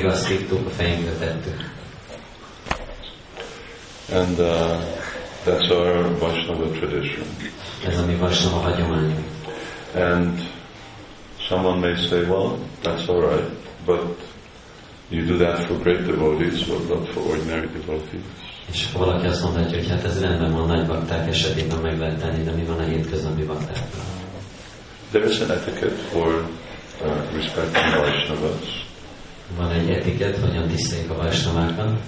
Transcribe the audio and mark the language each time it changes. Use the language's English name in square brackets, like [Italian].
[English] Take it. And that's our Vaishnava tradition. [Hungarian] Ez a mi Vaishnava hagyományunk. [English] And someone may say, well, that's all right, but you do that for great devotees, but not for ordinary devotees. [Hungarian] És valaki azt mondja, hogy hát ez rendben van, nagy bakták esetében meg lehet tenni, de mi van a hétköznapi baktákkal? [English] There is an etiquette for respecting Vaishnavas. [Hungarian] Van egy etiket, hogyan tiszteljük a Vaishnavákat.